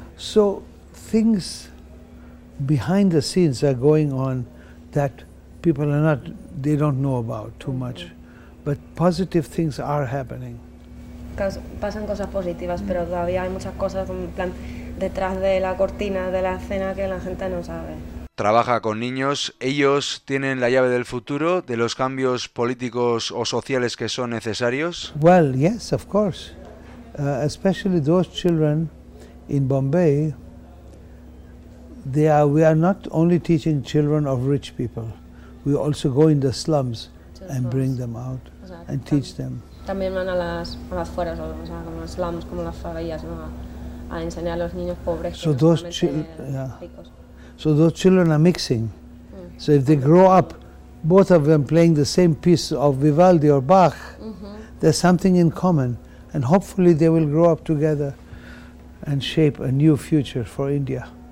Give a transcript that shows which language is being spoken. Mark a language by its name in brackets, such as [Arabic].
[English] So things behind the scenes are going on that people are not, they don't know about too much, but positive things are happening. [Spanish] Pasan cosas positivas, pero todavía hay muchas cosas en plan detrás de la cortina de la escena que la gente no sabe. Trabaja con niños. Ellos tienen la llave del futuro, de los cambios políticos o sociales que son necesarios. [English] Well, yes, of course. Especially those children in Bombay. We are not only teaching children of rich people. We also go in the slums and bring them out and teach them. [Spanish] También van a las fueras, o sea, como los slums, como las favelas, ¿no? A enseñar a los niños pobres. [English] So those ricos. So those children are mixing. So if they grow up, both of them playing the same piece of Vivaldi or Bach, there's something in common, and hopefully they will grow up together and shape a new future for India.